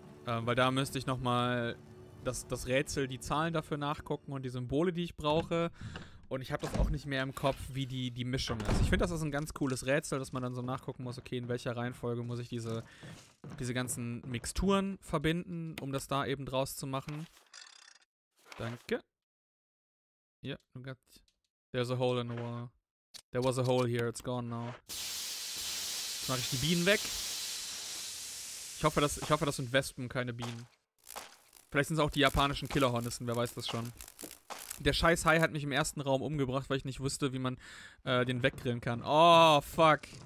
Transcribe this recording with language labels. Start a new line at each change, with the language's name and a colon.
German: Weil da müsste ich nochmal das Rätsel, die Zahlen dafür nachgucken und die Symbole, die ich brauche. Und ich habe das auch nicht mehr im Kopf, wie die Mischung ist. Ich finde, das ist ein ganz cooles Rätsel, dass man dann so nachgucken muss, okay, in welcher Reihenfolge muss ich diese ganzen Mixturen verbinden, um das da eben draus zu machen. Danke. Ja,
English: yeah, got... There's a hole in the wall. There was a hole here, it's gone now.
German: Jetzt mache ich die Bienen weg. Ich hoffe, das sind Wespen, keine Bienen. Vielleicht sind es auch die japanischen Killerhornissen, wer weiß das schon. Der scheiß Hai hat mich im ersten Raum umgebracht, weil ich nicht wusste, wie man den weggrillen kann.
English: Oh, fuck.